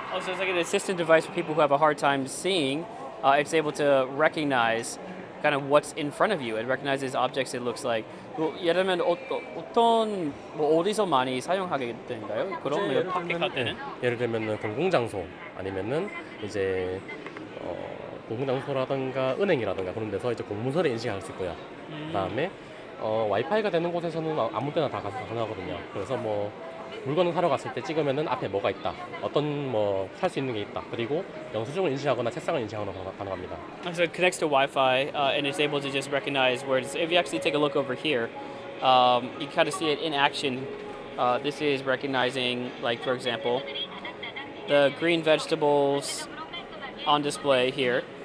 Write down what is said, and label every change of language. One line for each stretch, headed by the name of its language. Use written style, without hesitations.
English: Also, it's like an assistant device for people who have a hard time seeing. It's able to recognize kind of what's in front of you. It recognizes objects, it looks like.
Korean: 예를 들면 어떤 어디서 많이 사용하게 되는가요? 그런 파켓 카드는? 예를 들면 공공장소 아니면은 이제 공공장소라든가 은행이라든가 그런 데서 이제 공문서를 인식할 수 있고요. 그다음에 와이파이가 되는 곳에서는 아무 때나 다 가서 가능하거든요. 그래서 뭐 물건을 사러 갔을 때 찍으면은 앞에 뭐가 있다, 어떤 뭐 살 수 있는 게 있다, 그리고 영수증을 인식하거나 책상을 인식하거나 가능합니다.
English: So it connects to Wi-Fi and it's able to just recognize words. If you actually take a look over here, you kind of see it in action. This is recognizing, like for example, the green vegetables on display here.